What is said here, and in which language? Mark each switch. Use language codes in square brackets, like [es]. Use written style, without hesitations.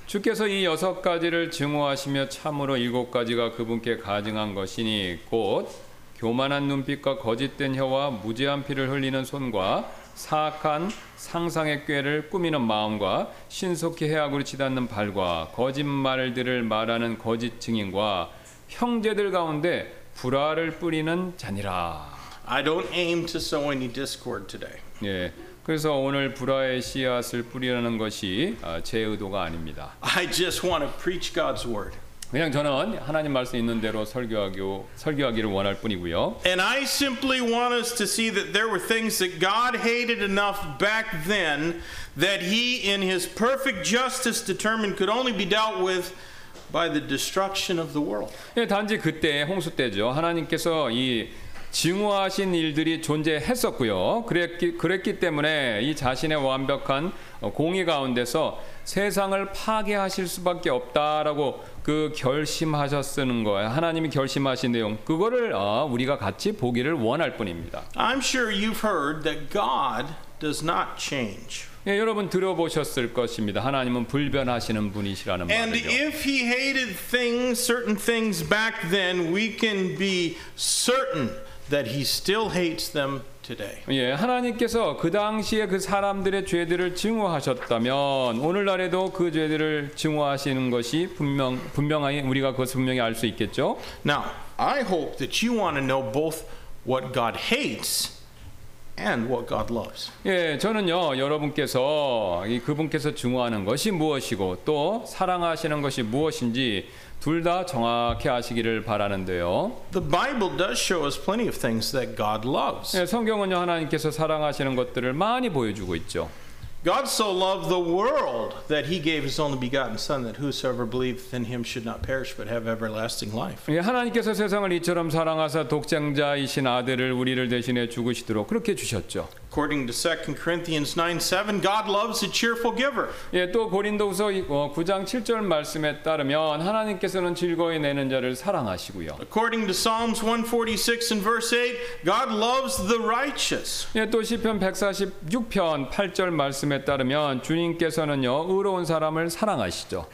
[ko] 주께서 이 여섯 가지를 증오하시며 참으로 일곱 가지가 그분께 가증한 것이니 곧 교만한 눈빛과 거짓된 혀와 무죄한 피를 흘리는 손과 사악한 상상의 꾀를 꾸미는 마음과 신속히 해악으로 치닫는 발과 거짓말들을 말하는 거짓 증인과 형제들 가운데 불화를 뿌리는 자니라. [en] I don't aim to sow any discord today. [ko] 예, 그래서 오늘 불화의 씨앗을 뿌리라는 것이 제 의도가 아닙니다. [en] I just want to preach God's word. [ko] 그냥 저는 하나님 말씀 있는 대로 설교하기를 원할 뿐이고요. [en] And I simply want us to see that there were things that God hated enough back then that he in his perfect justice determined could only be dealt with by the destruction of the world. [ko] 예, 단지 그때 홍수 때죠. 하나님께서 이 증오하신 일들이 존재했었고요. 그랬기 때문에 이 자신의 완벽한 공의 가운데서 세상을 파괴하실 수밖에 없다라고 그 결심하셨는 거예요. 하나님이 결심하신 내용 그거를 우리가 같이 보기를 원할 뿐입니다. [en] I'm sure you've heard that God does not change. [ko] 예, 여러분 들어보셨을 것입니다. 하나님은 불변하시는 분이시라는 말이죠. [en] And if he hated things, certain things back then, we can be certain that he still hates them today. [ko] 예, 하나님께서 그 당시에 그 사람들의 죄들을 증오하셨다면 오늘날에도 그 죄들을 증오하시는 것이 분명하게 우리가 그것을 분명히 알 수 있겠죠. [en] Now, I hope that you want to know both what God hates and what God loves. [ko] 예, 저는요, 여러분께서 이 그분께서 증오하는 것이 무엇이고 또 사랑하시는 것이 무엇인지 둘 다 정확히 아시기를 바라는데요. [en] The Bible does show us plenty of things that God loves. [ko] 예, 성경은요 하나님께서 사랑하시는 것들을 많이 보여주고 있죠. [en] God so loved the world that he gave his only begotten son that whosoever believeth in him should not perish but have everlasting life. [ko] 예, 하나님께서 세상을 이처럼 사랑하사 독생자이신 아들을 우리를 대신해 죽으시도록 그렇게 주셨죠. [en] According to 2 Corinthians 9:7, God loves a cheerful giver. [ko] 예, 또 고린도후서 9장 7절 말씀에 따르면 하나님께서는 즐거이 내는 자를 사랑하시고요. [en] According to Psalms 146 and verse 8, God loves the righteous. [ko] 예, 또 시편 146편 8절 말씀에 따르면 주님께서는요, 의로운 사람을 사랑하시죠.